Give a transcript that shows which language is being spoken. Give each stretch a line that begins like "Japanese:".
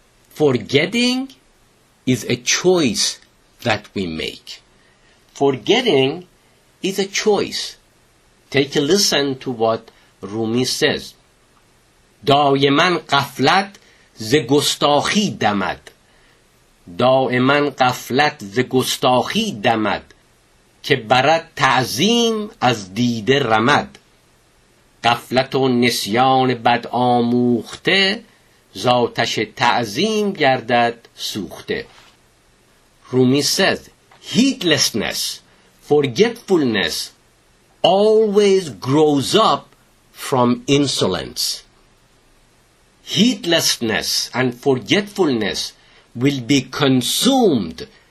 English: Forgetting is a choice that we make. Forgetting is a choice. Take a listen to what Rumi says,
Persian: دائماً قفلت ز گستاخی دمد. دائماً قفلت ز گستاخی دمد که برد تعظیم از دیده رمد. قفلت و نسیان بد آموخته زاتش تعظیم گردد سوخته.
English: Rumi says, heedlessness, forgetfulness always grows up from insolence. Heedlessness and forgetfulness will be consumed